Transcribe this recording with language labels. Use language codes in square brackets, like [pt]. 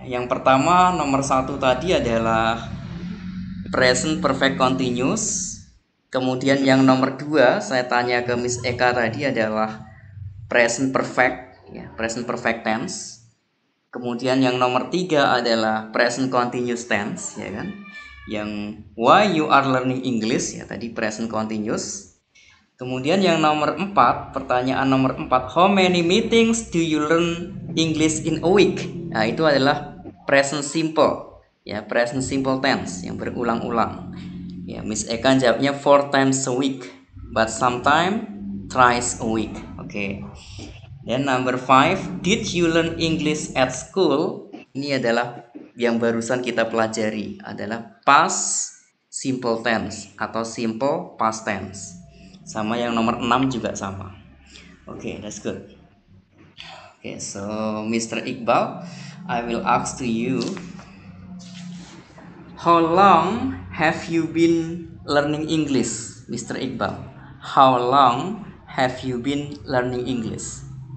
[id] Yang pertama, nomor 1 tadi adalah present perfect continuous. Kemudian yang nomor 2 saya tanya ke Miss Eka tadi adalah present perfect, ya, yeah, present perfect tense. Kemudian yang nomor 3 adalah present continuous tense, ya kan? [en] Yang why you are learning English, ya tadi present continuous. [id] Kemudian yang nomor 4, pertanyaan nomor 4, [en] how many meetings do you learn English in a week? [id] Nah, itu adalah present simple. [en] Ya, present simple tense [id] yang berulang-ulang. Ya, Miss Eka jawabnya [en] 4 times a week, but sometimes thrice a week. Oke. Okay. Then number 5, did you learn English at school? [id] Ini adalah yang barusan kita pelajari, adalah past simple tense atau simple past tense. Sama yang nomor 6 juga sama. [en] Oke, okay, that's good. Oke, okay, so Mr. Iqbal, I will ask to you, how long have you been learning English, Mr. Iqbal? How long have you been learning English?